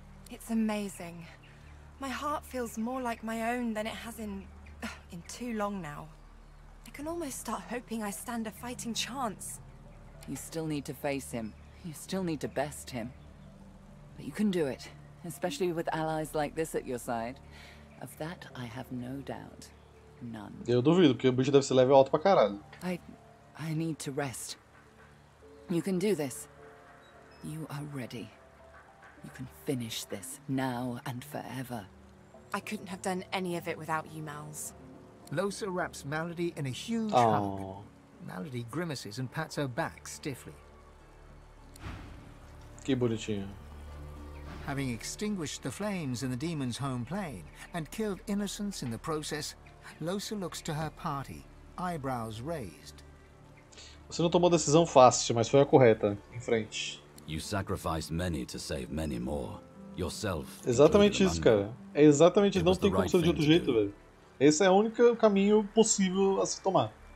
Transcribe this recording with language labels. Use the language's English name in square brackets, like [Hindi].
[English] It's amazing. My heart feels more like my own than it has in too long now. I can almost start hoping I stand a fighting chance. You still need to face him. You still need to best him. But you can do it, especially with allies like this at your side. Of that, I have no doubt. None. [Portuguese] Eu duvido, porque o bicho deve ser level alto pra caralho. [English] I need to rest. You can do this. You are ready. You can finish this now and forever. I couldn't have done any of it without you, Mals. Losa wraps Malady in a huge hug. Malady grimaces and pats her back stiffly. [Portuguese] Que bonitinho. [English] Having extinguished the flames in the demon's home plane and killed innocents in the process, Losa looks to her party, eyebrows raised. [Portuguese] Você não tomou a decisão fácil, mas foi a correta. Em frente. [English] You sacrificed many to save many more. Yourself. [Portuguese] Exatamente isso, cara. É exatamente isso. Não tem como ser de outro jeito, velho. Esse é o único caminho possível a se tomar.